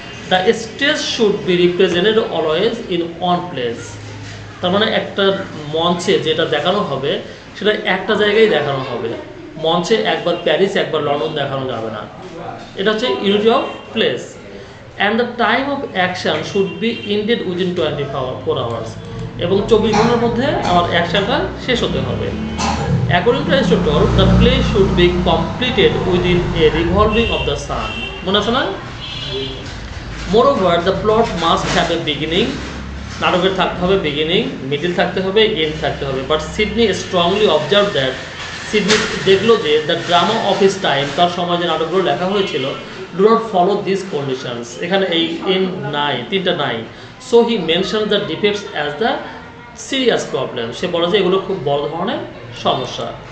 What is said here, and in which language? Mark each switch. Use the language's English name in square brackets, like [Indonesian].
[English] the stage should be represented always in one place, [Bangla] তার মানে একটা মঞ্চে যেটা দেখানো হবে সেটা একটা জায়গায় দেখানো হবে, মঞ্চে একবার প্যারিস একবার লন্ডন দেখানো যাবে না, এটা হচ্ছে unity of place. [English] and the time of action should be indeed within 24 hours, [Bangla] এবং 24 ঘন্টার মধ্যে আমার অ্যাকশনটা শেষ হতে হবে, [English] According to Aristotle, the play should be completed within a revolving of the sun. Munasanan? Moreover, the plot must have a beginning. [Bangla] নাটকের থাকতে হবে বিগিনিং, মিডিল থাকতে হবে, এন্ড থাকতে হবে। [English] but Sidney strongly observe that, [Bangla] Sydney দেখলো যে [English] the drama of his time, [Bangla] তার সময় যে নাটকগুলো লেখা হয়েছিল, [English] do not follow this conditions, [Bangla] এখানে এই এন্ড নাই, তিনটা নাই। [English] so he mention the defects as the serious problem, [Bangla] সে বলে যে এগুলো খুব বড় ধরনের সমস্যা।